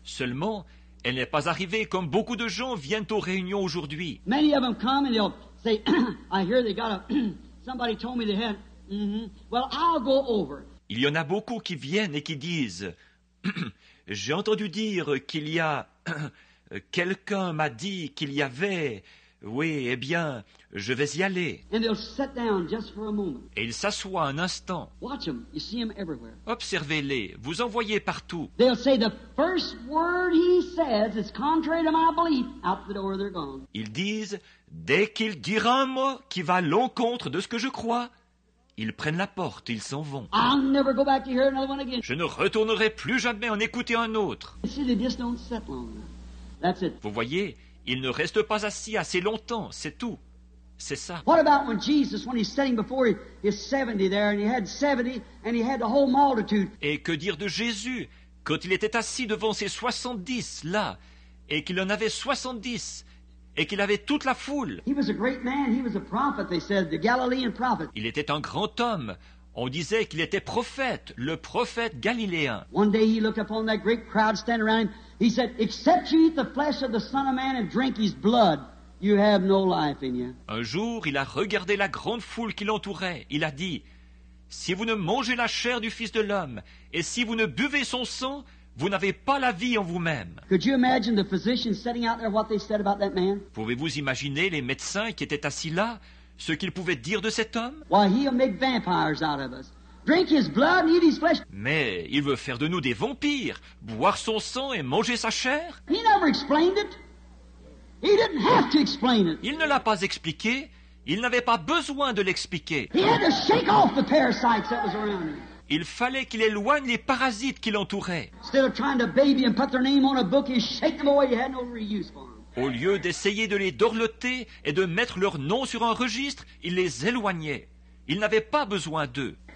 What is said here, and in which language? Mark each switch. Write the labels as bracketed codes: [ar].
[fr] Seulement, elle n'est pas arrivée comme beaucoup de gens viennent aux réunions aujourd'hui. [en] Many of them come and they'll say, "I hear they got a somebody told me they had. Well, I'll go over." [fr] Il y en a beaucoup qui viennent et qui disent, j'ai entendu dire qu'il y a quelqu'un m'a dit qu'il y avait Oui, eh bien, je vais y aller. [en] And they'll sit down just for a moment. [fr] Et il s'assoit un instant. [en] Watch them. You see them everywhere. [fr] Observez-les, vous en voyez partout. [en] They'll say the first word he says is contrary to my belief, out the door they're gone. [fr] Ils disent, dès qu'il dira un mot qui va à l'encontre de ce que je crois, ils prennent la porte, ils s'en vont. [en] I'll never go back to hear another one again. [fr] Je ne retournerai plus jamais en écouter un autre. [en] You see, they just don't sit long enough. That's it. [fr] Vous voyez, il ne reste pas assis assez longtemps, c'est tout. C'est ça. [en] What about when Jesus, when he's sitting before his 70 there, and he had 70, and he had the whole multitude? [fr] Et que dire de Jésus, quand il était assis devant ses 70 là, et qu'il en avait 70, et qu'il avait toute la foule? [en] He was a great man, he was a prophet, they said, the Galilean prophet. [fr] Il était un grand homme. On disait qu'il était prophète, le prophète galiléen. [en] One day he looked upon that great crowd standing around him. He said, except you eat the flesh of the Son of Man and drink his blood, you have no life in you. [fr] Un jour, il a regardé la grande foule qui l'entourait. Il a dit, si vous ne mangez la chair du Fils de l'homme et si vous ne buvez son sang, vous n'avez pas la vie en vous-même. [en] Could you imagine the physicians sitting out there what they said about that man? [fr] Pouvez-vous imaginer les médecins qui étaient assis là, ce qu'ils pouvaient dire de cet homme? [en] Why, he'll make vampires out of us. Drink his blood and eat his flesh. [fr] Mais il veut faire de nous des vampires, boire son sang et manger sa chair. [en] He never explained it. He didn't have to explain it. [fr] Il ne l'a pas expliqué. Il n'avait pas besoin de l'expliquer. [en] He had to shake off the parasites that was around him. [fr] Il fallait qu'il éloigne les parasites qui l'entouraient. [en] Instead of trying to baby and put their name on a book, he shake them away. He had no reuse for them. [fr] Au lieu d'essayer de les dorloter et de mettre leur nom sur un registre, il les éloignait. Il n'avait pas besoin d'eux.